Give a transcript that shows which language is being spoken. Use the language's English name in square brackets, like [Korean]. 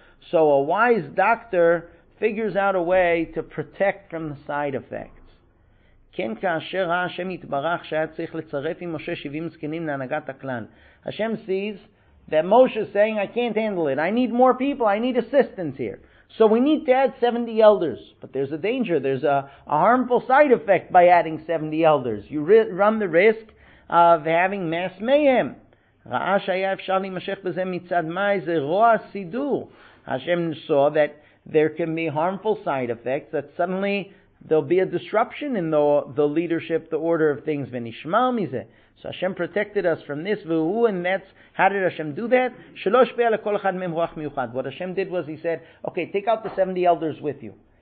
[English] So a wise doctor figures out a way to protect from the side effects. [Hebrew] כן, כאשר ראה השם יתברך שהיה צריך לצרף עם משה 70 זקנים להנהגת הכלל. [English] Hashem sees that Moshe is saying, I can't handle it. I need more people. I need assistance here. So we need to add 70 elders. But there's a danger. There's a harmful side effect by adding 70 elders. You run the risk of having mass mayhem. [Hebrew] ראה שהיה אפשר להימשך בזה מצד מאי זה רוע סידור. [English] Hashem saw that there can be harmful side effects that suddenly there'll be a disruption in the leadership, the order of things. [Hebrew] V'nishmal mizeh. [English] So Hashem protected us from this. V'hu, and that's, how did Hashem do that? [Hebrew] Shalosh be'al kol echad mem ruach miyuchad. [English] What Hashem did was He said, okay, take out the 70 elders with you.